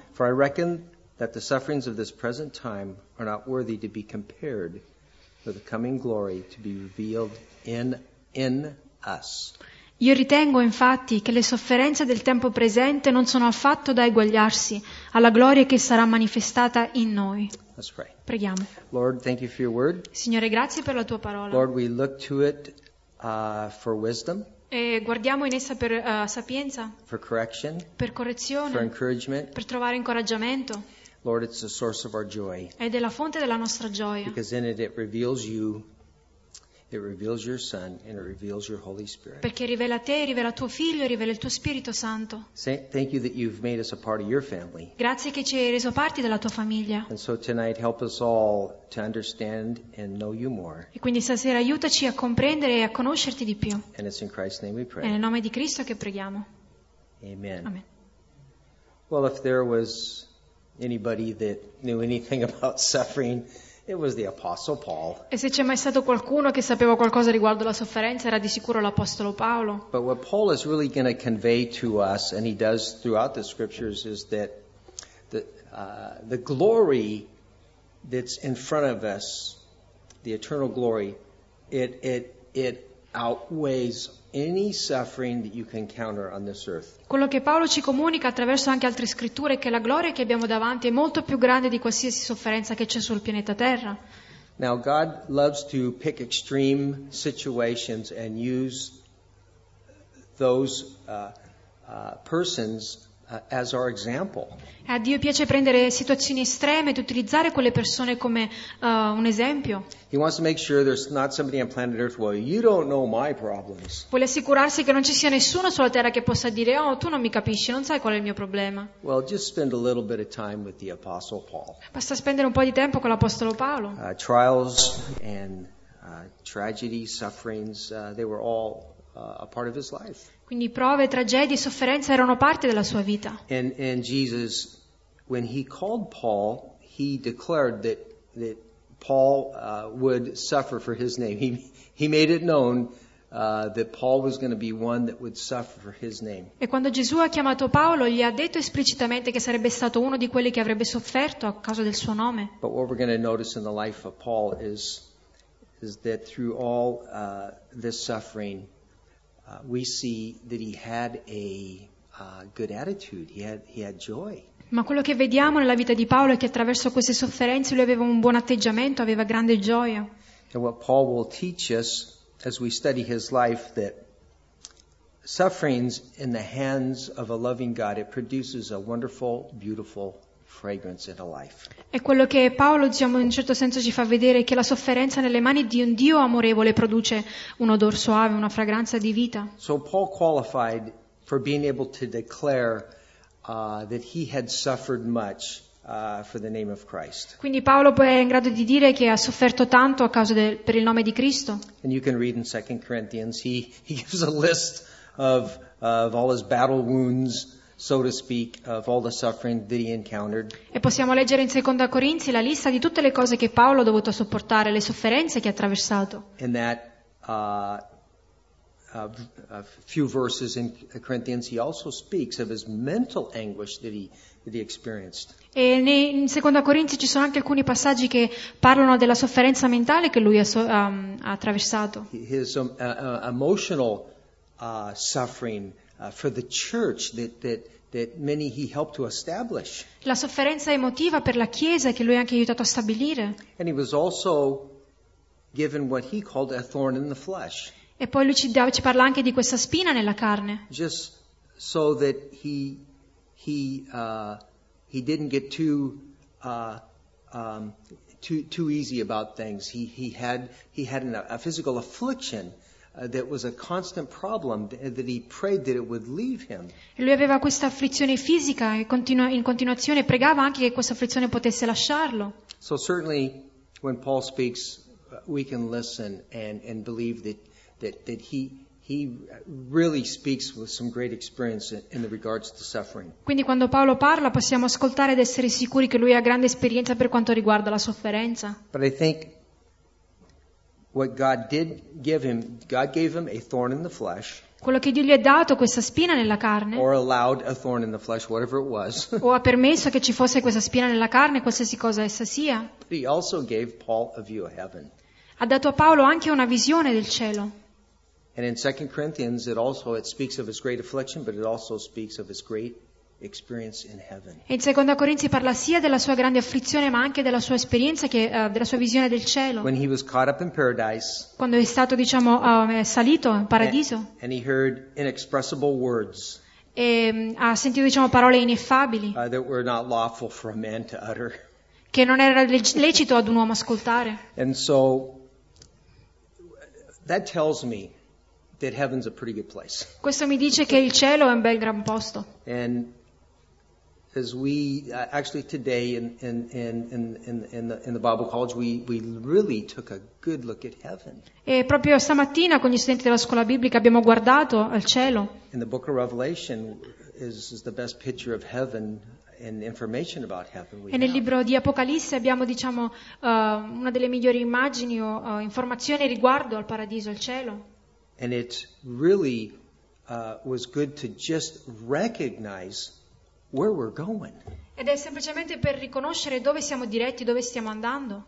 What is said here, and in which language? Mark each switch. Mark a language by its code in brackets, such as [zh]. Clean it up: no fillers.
[en] For I reckon that the sufferings of this present time are not worthy to be compared with the coming glory to be revealed in us. [it] Io ritengo infatti che le sofferenze del tempo presente non sono affatto da eguagliarsi alla gloria che sarà manifestata in noi. [en] Let's pray. [it] Preghiamo. [en] Lord, thank you for your word. [it] Signore, grazie per la tua parola. [en] Lord, we look to it for wisdom. [it] E guardiamo in essa per sapienza. [en] For correction. [it] Per correzione. [en] For encouragement. [it] Per trovare incoraggiamento. [en] Lord, it's the source of our joy. [it] Ed è la fonte della nostra gioia. [en] Because in it reveals you. It reveals your Son and it reveals your Holy Spirit. [it] Perché rivela te, rivela tuo figlio, rivela il tuo Spirito Santo. [en] Thank you that you've made us a part of your family. [it] Grazie che ci hai reso parte della tua famiglia. [en] And so tonight help us all to understand and know you more. [it] E quindi stasera aiutaci a comprendere e a conoscerti di più. [en] And it's in Christ's name we pray. [it] È nel nome di Cristo che preghiamo. [en] Amen. [it] Amen. [en] Well, if there was anybody that knew anything about suffering, it was the Apostle Paul. [it] E se c'è mai stato qualcuno che sapeva qualcosa riguardo la sofferenza, era di sicuro l'Apostolo Paolo. [en] But what Paul is really going to convey to us, and he does throughout the scriptures, is that the glory that's in front of us, the eternal glory, it outweighs any suffering that you can encounter on this earth. [it] Quello che Paolo ci comunica attraverso anche altre scritture è che la gloria che abbiamo davanti è molto più grande di qualsiasi sofferenza che c'è sul pianeta Terra. [en] Now God loves to pick extreme situations and use those persons as our example. [it] A Dio piace prendere situazioni estreme ed utilizzare quelle persone come un esempio. [en] He wants to make sure there's not somebody on planet Earth, well, you don't know my problems. [it] Vuole assicurarsi che non ci sia nessuno sulla Terra che possa dire, oh, tu non mi capisci, non sai qual è il mio problema. [en] Well, just spend a little bit of time with the Apostle Paul. [it] Basta spendere un po' di tempo con l'Apostolo Paolo. [en] Trials and tragedy, sufferings, they were all a part of his life. [it] Quindi prove, tragedie, sofferenze erano parte della sua vita. [en] And Jesus, when he called Paul, he declared that Paul would suffer for his name. He made it known that Paul was going to be one that would suffer for his name. [it] E quando Gesù ha chiamato Paolo, gli ha detto esplicitamente che sarebbe stato uno di quelli che avrebbe sofferto a causa del suo nome. [en] But what we're going to notice in the life of Paul is that through all this suffering, we see that he had a good attitude. He had joy. [it] Ma quello che vediamo nella vita di Paolo è che attraverso queste sofferenze lui aveva un buon atteggiamento, aveva grande gioia. [en] And what Paul will teach us as we study his life, that sufferings in the hands of a loving God, it produces a wonderful, beautiful fragrance in a life. [it] È quello che Paolo, diciamo, in un certo senso ci fa vedere, che la sofferenza nelle mani di un Dio amorevole produce un odor soave, una fragranza di vita. [en] So Paul qualified for being able to declare that he had suffered much for the name of Christ. [it] Quindi Paolo poi è in grado di dire che ha sofferto tanto a causa per il nome di Cristo. [en] And you can read in 2 Corinthians he gives a list of all his battle wounds, so to speak, of all the suffering that he encountered. [it] E possiamo leggere in Seconda Corinzi la lista di tutte le cose che Paolo ha dovuto sopportare, le sofferenze che ha attraversato. [en] In that a few verses in Corinthians, he also speaks of his mental anguish that he experienced. [it] E in Seconda Corinzi ci sono anche alcuni passaggi che parlano della sofferenza mentale che lui ha attraversato. [en] His emotional suffering for the church that many he helped to establish. [it] La sofferenza emotiva per la chiesa che lui ha anche aiutato a stabilire. [en] And he was also given what he called a thorn in the flesh. [it] E poi lui ci parla anche di questa spina nella carne. [en] Just so that he didn't get too easy about things. He had a physical affliction that was a constant problem, that he prayed that it would leave him. [it] E lui aveva questa afflizione fisica e in continuazione pregava anche che questa afflizione potesse lasciarlo. [en] So certainly when Paul speaks we can listen and believe that he really speaks with some great experience in the regards to suffering. [it] Quindi quando Paolo parla possiamo ascoltare ed essere sicuri che lui ha grande esperienza per quanto riguarda la sofferenza. [en] But I think What God did give him, God gave him a thorn in the flesh. [it] Quello che Dio gli ha dato, questa spina nella carne. [en] Or allowed a thorn in the flesh, whatever it was. [it] O ha permesso che ci fosse questa spina nella carne, qualsiasi cosa essa sia. [en] But he also gave Paul a view of heaven. [it] Ha dato a Paolo anche una visione del cielo. [en] And in 2 Corinthians it speaks of his great affliction, but it also speaks of his great experience in heaven. [it] In 2 Corinzi parla sia della sua grande afflizione, ma anche della sua esperienza, che della sua visione del cielo. [en] When he was caught up in paradise, [it] quando è stato, diciamo, salito in paradiso, [en] and he heard inexpressible words, [it] e ha sentito, diciamo, parole ineffabili, [en] that were not lawful for a man to utter, [it] che non era lecito ad un uomo ascoltare. [en] And so that tells me that heaven's a pretty good place. [it] Questo mi dice che il cielo è un bel gran posto. [en] And as we actually today in the Bible college, we really took a good look at heaven. [it] E proprio stamattina con gli studenti della scuola biblica abbiamo guardato al cielo. [en] And the book of Revelation is the best picture of heaven and information about heaven we have. [it] E nel libro di Apocalisse abbiamo, diciamo, una delle migliori immagini o informazioni riguardo al paradiso, al cielo. [en] And it really was good to just recognize where we're going. [it] Ed è semplicemente per riconoscere dove siamo diretti, dove stiamo andando.